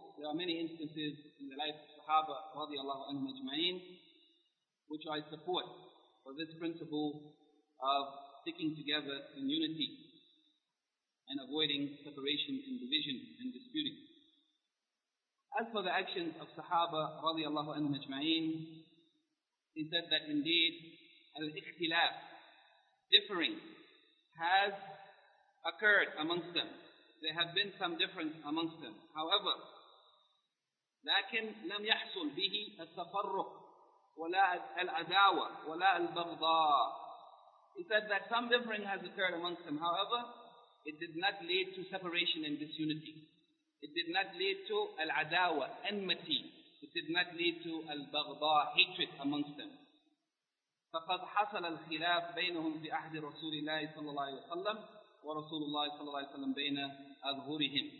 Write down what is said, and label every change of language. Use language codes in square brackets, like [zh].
[en] There are many instances in the life of Sahaba radiallahu anhum ajma'in which I support for this principle of sticking together in unity and avoiding separation and division and disputing. As for the actions of Sahaba radiallahu anhum ajma'in, he said that indeed al-ikhtilaf, differing, has occurred amongst them. There have been some difference amongst them. However, [ar] لكن لم يحصل به التفرق ولا العداوة ولا البغضاء. [en] He said that some differing has occurred amongst them. However, it did not lead to separation and disunity. It did not lead to العداوة, enmity. It did not lead to البغضاء, hatred amongst them. [ar] فقد حصل الخلاف بينهم في عهد رسول الله صلى الله عليه وسلم ورسول الله صلى الله عليه وسلم بين أظهرهم.